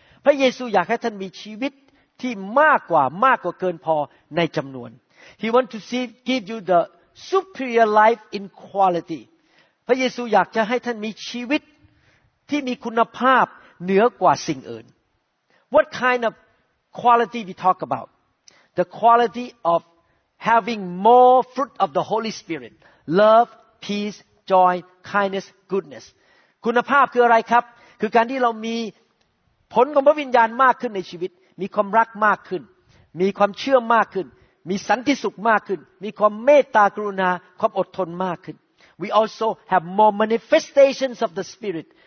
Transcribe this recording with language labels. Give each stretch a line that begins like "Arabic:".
Thai: พระเยซูอยากให้ท่านมีชีวิตที่มากกว่าเกินพอในจำนวน
English: He want to see, give you the superior life in quality.
Thai: พระเยซูอยากจะให้ท่านมีชีวิตที่มีคุณภาพเหนือกว่าสิ่งอื่น
English: What kind of quality we talk about? The quality of having more fruit of the Holy Spirit. Love, peace, joy, kindness, goodness.
Thai: คุณภาพคืออะไรครับคือการที่เรามีผลของพระวิญญาณมากขึ้นในชีวิตมีความรักมากขึ้นมีความเชื่อมากขึ้นมีสันติสุขมากขึ้นมีความเมตตากรุณาความอดทนมากขึ้น
English: We also have more manifestations of the Spirit.